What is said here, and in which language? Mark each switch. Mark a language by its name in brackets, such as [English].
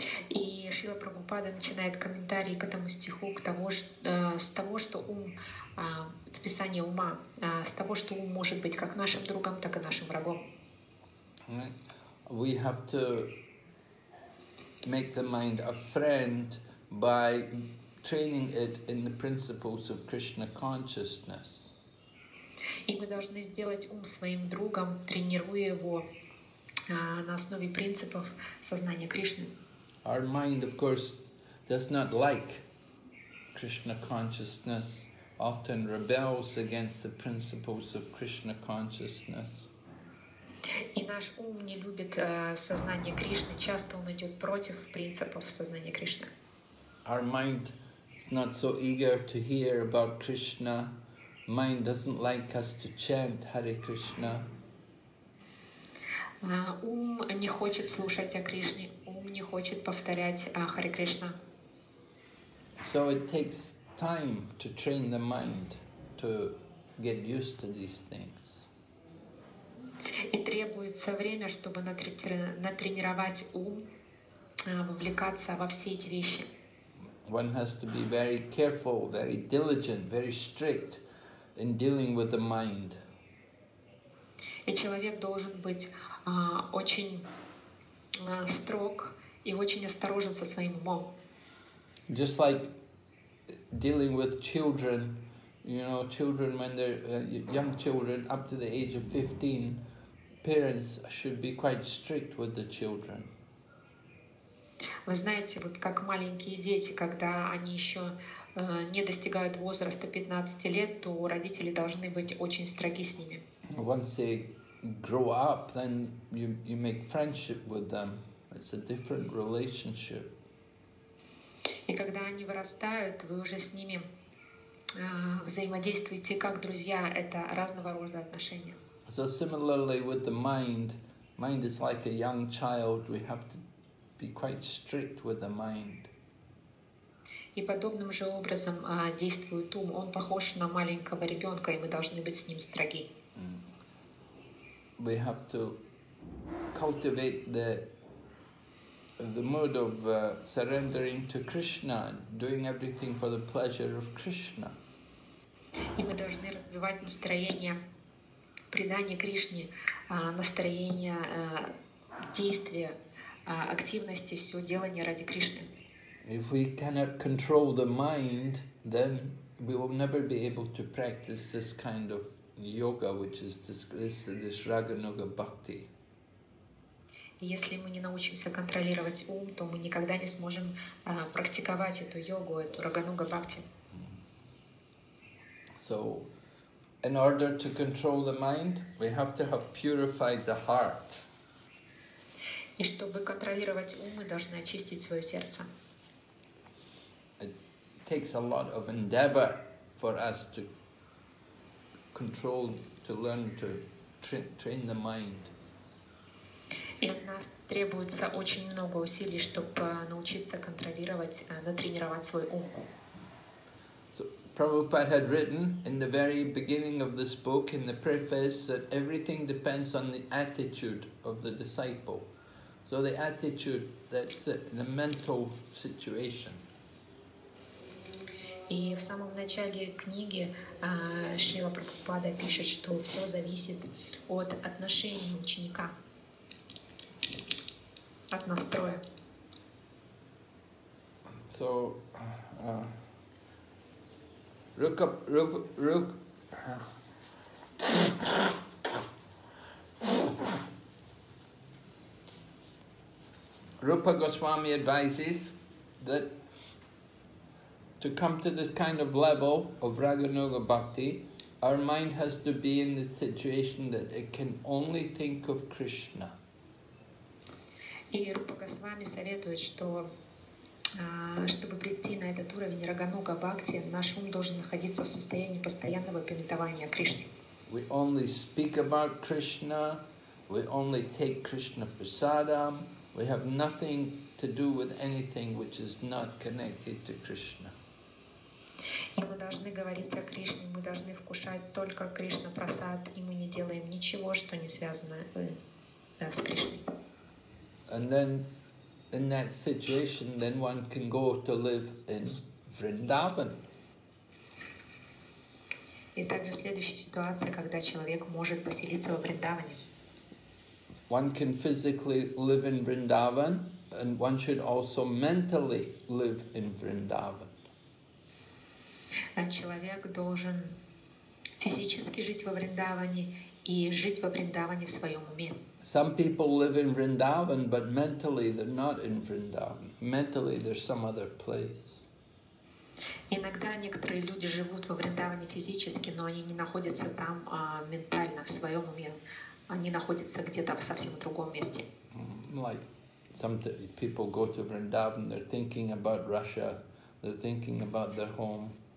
[Russian] И Шрила Прабхупада начинает комментарий к этому стиху, к тому, с того, что ум, с писания ума, с того, что ум может быть как нашим другом, так и нашим врагом. [English] Right. We have to make the mind a friend by training it in the principles of Krishna consciousness. [Russian] И мы должны сделать ум своим другом, тренируя его на основе принципов сознания Кришны. [English] Our mind, of course, does not like Krishna consciousness, often rebels against the principles of Krishna consciousness. [Russian] И наш ум не любит сознание Кришны, часто он идет против принципов сознания Кришны. [English] Our mind is not so eager to hear about Krishna. Mind doesn't like us to chant Hare Krishna. [Russian] Ум не хочет слушать о Кришне, ум не хочет повторять Hare Krishna. [English] So it takes time to train the mind to get used to these things. [Russian] И требуется время, чтобы натренировать ум, вовлекаться во все эти вещи. [English] One has to be very careful, very diligent, very strict in dealing with the mind. [Russian] И человек должен быть очень строг и очень осторожен со своим умом. [English] Just like dealing with children, you know, children when they're young children up to the age of 15, parents should be quite strict with the children. [Russian] Вы знаете, вот как маленькие дети, когда они еще не достигают возраста 15 лет, то родители должны быть очень строги с ними. [English] Once they grow up, then you make friendship with them. It's a different relationship. [Russian] И когда они вырастают, вы уже с ними взаимодействуете как друзья. Это разного рода отношения. [English] So similarly with the mind, mind is like a young child, we have to be quite strict with the mind. [Russian] И подобным же образом действует ум, он похож на маленького ребенка, и мы должны быть с ним строги. [English] We have to cultivate the mood of surrendering to Krishna, doing everything for the pleasure of Krishna. [Russian] И мы должны развивать настроение предание Кришне, настроение, действия, активности, все делание ради Кришны. [English] If we cannot control the mind, then we will never be able to practice this kind of yoga, which is this Raganuga Bhakti. [Russian] Если мы не научимся контролировать ум, то мы никогда не сможем практиковать эту йогу, эту Рагануга Бхакти. [English] So, in order to control the mind, we have to have purified the heart. [Russian] И чтобы контролировать ум, мы должны очистить свое сердце. [English] It takes a lot of endeavor for us to control, to learn to train the mind. [Russian] И у нас требуется очень много усилий, чтобы научиться контролировать, натренировать свой ум. [English] Prabhupada had written in the very beginning of this book, in the preface, that everything depends on the attitude of the disciple. So the attitude, that's the mental situation. [Russian] И в самом начале книги Шрила Прабхупада пишет, что все зависит от отношений ученика, от настроя. [English] So, Rukh. Rupa Goswami advises that to come to this kind of level of Raganuga Bhakti, our mind has to be in the situation that it can only think of Krishna. [Russian] И Рупа Госвами советует, что Чтобы прийти на этот уровень Рагануга Бхакти, наш ум должен находиться в состоянии постоянного памятования Кришны. [English] We only speak about Krishna, we only take Krishna prasadam, we have nothing to do with anything which is not connected to Krishna. [Russian] И мы должны говорить о Кришне, мы должны вкушать только Кришна прасад, и мы не делаем ничего, что не связано с Кришной. [English] And then in that situation, then one can go to live in Vrindavan. [Russian] И также следующая ситуация, когда человек может поселиться во Вриндаване. [English] One can physically live in Vrindavan, and one should also mentally live in Vrindavan. [Russian] Человек должен физически жить во Вриндаване и жить во Вриндаване в своем уме. [English] Some people live in Vrindavan, but mentally they're not in Vrindavan. Mentally they're some other place. [Russian] Иногда некоторые люди живут во Вриндаване физически, но они не находятся там ментально, в своем уме. Они находятся где-то в совсем другом месте. [English] Like sometimes people go to Vrindavan, they're thinking about Russia, they're thinking about their home.